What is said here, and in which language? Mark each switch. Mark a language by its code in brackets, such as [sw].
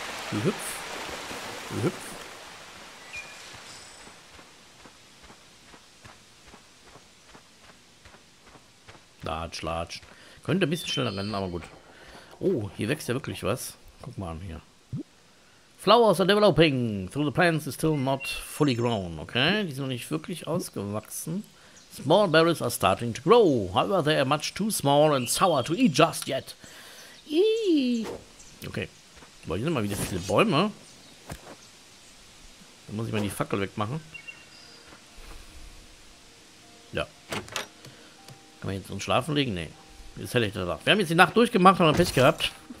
[de] Hüpf. Hüpf. Latsch, latsch. Könnte ein bisschen schneller rennen, aber gut. Oh, hier wächst ja wirklich was. Guck mal an hier. [en] Flowers are developing. Through the plants is still not fully grown. [de] Okay, die sind noch nicht wirklich ausgewachsen. [en] Small berries are starting to grow. However, they are much too small and sour to eat just yet. Eee. Okay. [de] Boah, hier sind mal wieder viele Bäume. Da muss ich mal die Fackel wegmachen. Ja. Kann man jetzt uns schlafen legen? Nee. Jetzt hätte ich das auch. Wir haben jetzt die Nacht durchgemacht, haben Pech gehabt.